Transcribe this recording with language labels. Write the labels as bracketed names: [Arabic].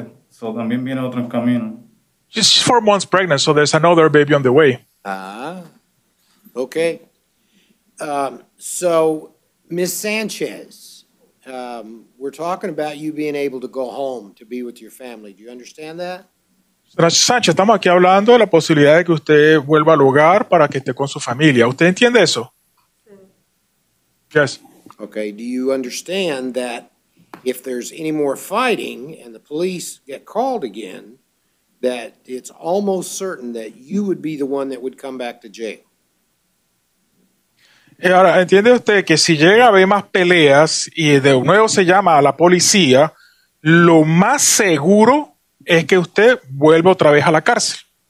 [English] She's 4 months pregnant, so there's another baby on the way. Okay. So, Ms. Sanchez, we're talking about you being able to go home to be with your family. Do you understand that? [Spanish] Sanchez, estamos aquí hablando de la posibilidad de que usted vuelva al hogar para que esté con su familia. ¿Usted entiende eso? [English] Yes. Okay. Do you understand that if there's any more fighting and the police get called again, that it's almost certain that you would be the one that would come back to jail? [Spanish] Ahora, ¿entiende usted que si llega a haber más peleas y de nuevo se llama a la policía, lo más seguro es que usted vuelva otra vez a la cárcel?